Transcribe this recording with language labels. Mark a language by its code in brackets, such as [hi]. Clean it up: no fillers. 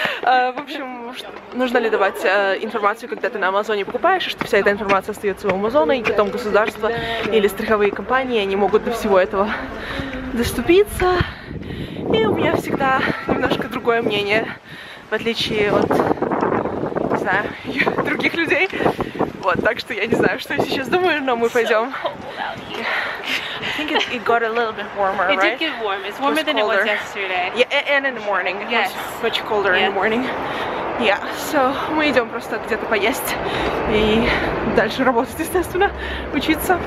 [ru] В общем, нужно ли давать информацию, когда ты на Амазоне покупаешь, и что вся эта информация остается у Амазона, и потом государство или страховые компании, они могут до всего этого доступиться. И у меня всегда немножко другое мнение, в отличие от... других людей. Вот, так что я не знаю, что я сейчас думаю, но мы пойдем. [en] I think it got a little bit warmer, it right? It did get warm. It's warmer than it was yesterday. Yeah, and in the morning. Yes. Much colder in the morning. Yeah, so [ru] мы идем просто где-то поесть и дальше работать, естественно, учиться.